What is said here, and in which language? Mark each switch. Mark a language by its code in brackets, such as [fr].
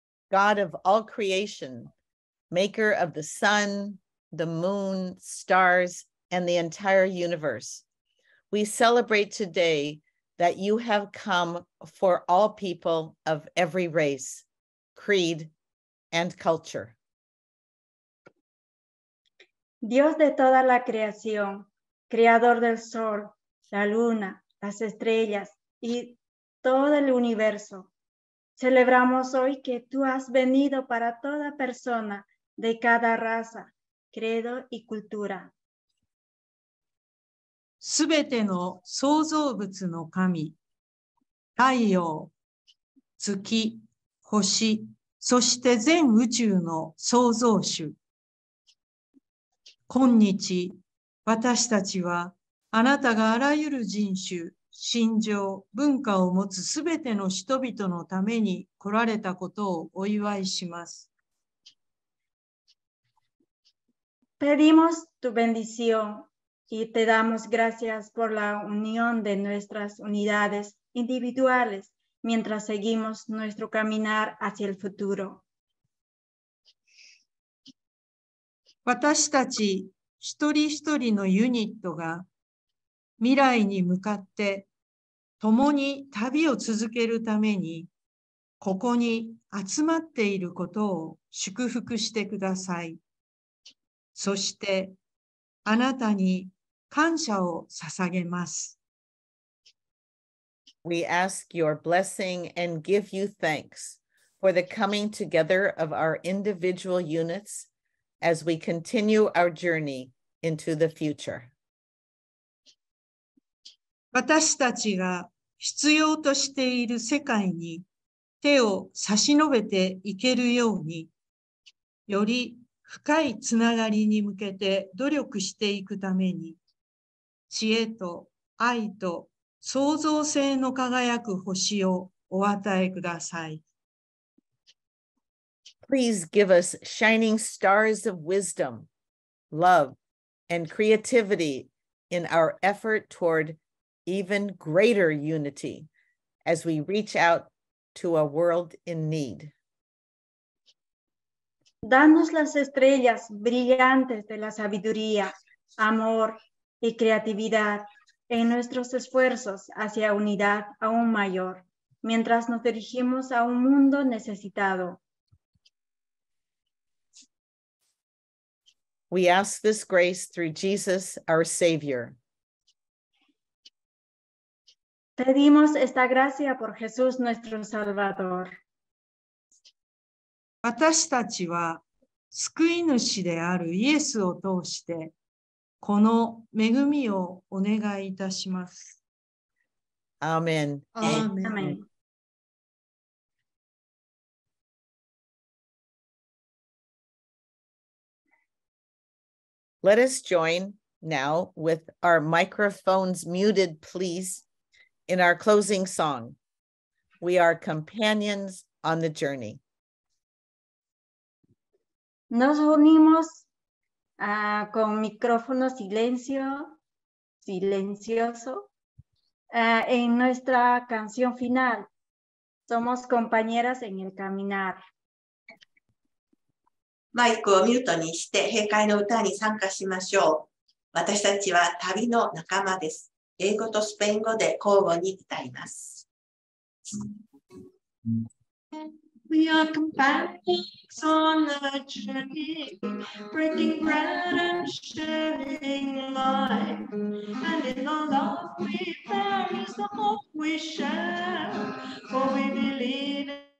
[en] God of all creation, maker of the sun, the moon, stars, and the entire universe, we celebrate today that you have come for all people of every race, creed, and culture. [es] Dios de toda la creación, creador del sol, la luna, las estrellas y todo el universo, celebramos hoy que tú has venido para toda persona de cada raza, credo y cultura. [ja] Súbete no 創造物 no 神, 太陽, 月, 星, そして 全 宇宙 の 創造主, 今日、私たちはあなたがあらゆる人種、信条、文化を持つすべての人々のために来られたことをお祝いします。 [es] Pedimos tu bendición y te damos gracias por la unión de nuestras unidades individuales mientras seguimos nuestro caminar hacia el futuro. [ja] 私たち 一人一人のユニットが未来に向かって共に旅を続けるためにここに集まっていることを祝福してください。そしてあなたに感謝を捧げます。 [en] We ask your blessing and give you thanks for the coming together of our individual units as we continue our journey into the future. [ja] 私たちが必要としている世界に手を差し伸べていけるように、より深いつながりに向けて努力していくために、知恵と愛と創造性の輝く星をお与えください。 [en] Please give us shining stars of wisdom, love, and creativity in our effort toward even greater unity as we reach out to a world in need. [es] Danos las estrellas brillantes de la sabiduría, amor y creatividad en nuestros esfuerzos hacia unidad aún mayor, mientras nos dirigimos a un mundo necesitado. [en] We ask this grace through Jesus, our Savior. [es] Pedimos esta gracia por Jesús, nuestro Salvador. [ja] 私たちは救い主であるイエスを通してこの恵みをお願いいたします。アーメン。アーメン。アーメン。 [en] Let us join now with our microphones muted, please, in our closing song. We are companions on the journey. [es] Nos unimos con micrófono silencio, silencioso, en nuestra canción final. Somos compañeras en el caminar. [ja] マイクをミュートにして閉会の歌に参加しましょう。私たちは旅の仲間です。英語とスペイン語で交互に歌います。 [en] We are companions on the journey, breaking bread and sharing life. And in the love we bear is the hope we share, for we believe in.